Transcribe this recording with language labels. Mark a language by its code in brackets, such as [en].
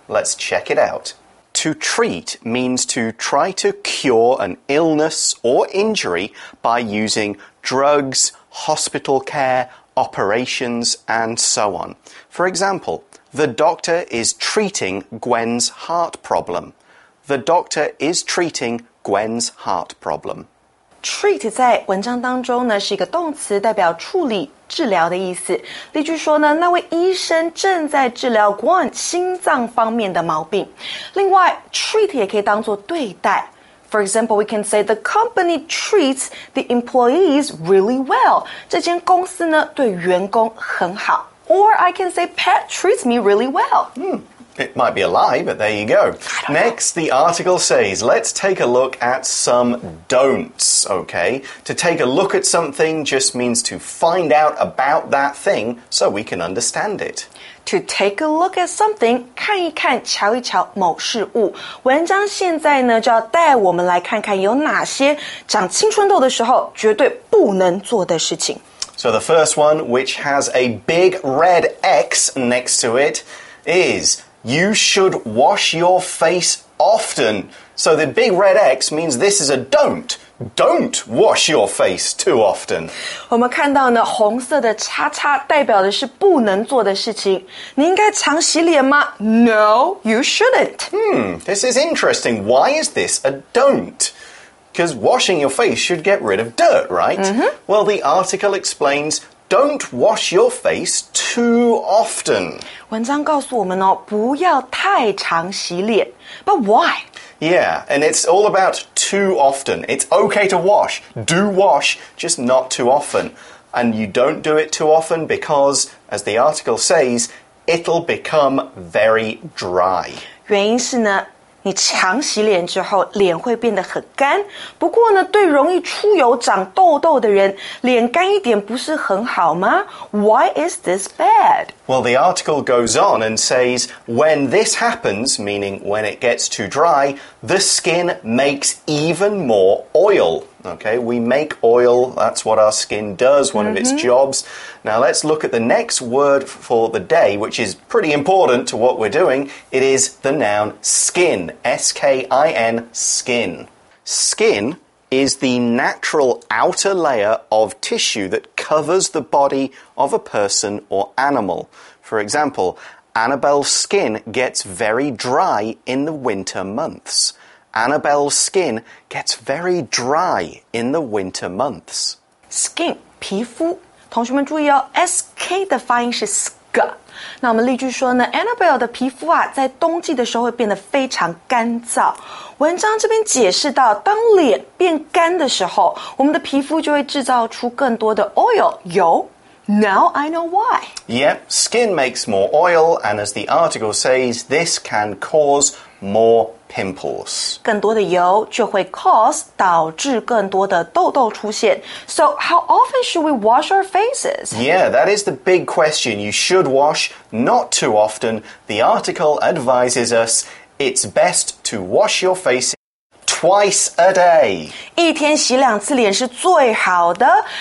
[en] Let's check it out. To treat means to try to cure an illness or injury by using drugs, hospital care, operations, and so on. For example, the doctor is treating Gwen's heart problem. The doctor is treating Gwen's heart problem. [zh] Treat 在文章当中呢是一个动词，代表处理、治疗的意思。例句说呢，那位医生正在治疗 Gwen 心脏方面的毛病。另外 ，treat 也可以当作对待。 [en] For example, we can say the company treats the employees really well. [zh] 这间公司呢对员工很好。 [en] Or I can say pet treats me really well. Hmm. It might be a lie, but there you go. Next, the article says, let's take a look at some don'ts, okay? To take a look at something just means to find out about that thing so we can understand it. To take a look at something, [zh] 看一看、瞧一瞧某事物。文章现在呢，就要带我们来看看有哪些长青春痘的时候绝对不能做的事情。 [en] So the first one, which has a big red X next to it, is... You should wash your face often. So the big red X means this is a don't. Don't wash your face too often. [zh] 我们看到呢，红色的叉叉代表的是不能做的事情。你应该常洗脸吗？ [en] No, you shouldn't. This is interesting. Why is this a don't? Because washing your face should get rid of dirt, right? Mm-hmm. Well, the article explains... Don't wash your face too often. [zh] 文章告诉我们哦，不要太常洗脸。 [en] But why? Yeah, and it's all about too often. It's okay to wash. Do wash, just not too often. And you don't do it too often because, as the article says, it'll become very dry. [zh] 原因是呢你强洗脸之后脸会变得很干。不过呢对容易出油长痘痘的人脸干一点不是很好吗? [en] Why is this bad? Well, the article goes on and says, when this happens, meaning when it gets too dry, the skin makes even more oil. Okay, we make oil, that's what our skin does, one of its jobs. Now let's look at the next word for the day, which is pretty important to what we're doing. It is the noun skin, S-K-I-N, skin. Skin is the natural outer layer of tissue that covers the body of a person or animal. For example, Annabelle's skin gets very dry in the winter months. Annabelle's skin gets very dry in the winter months. [zh] Skin, 皮肤。同学们注意哦 ,SK 的发音是 sk。那我们例句说呢 ,Annabelle 的皮肤啊在冬季的时候会变得非常干燥。文章这边解释到当脸变干的时候我们的皮肤就会制造出更多的 oil, 油。 [en] Now I know why. Yep, skin makes more oil, and as the article says, this can cause more pimples. [zh] 更多的油就会 cause 导致更多的痘痘出现。 [en] So how often should we wash our faces? Yeah, that is the big question. You should wash not too often. The article advises us it's best to wash your face twice a day. [zh] 一天洗两次脸是最好的。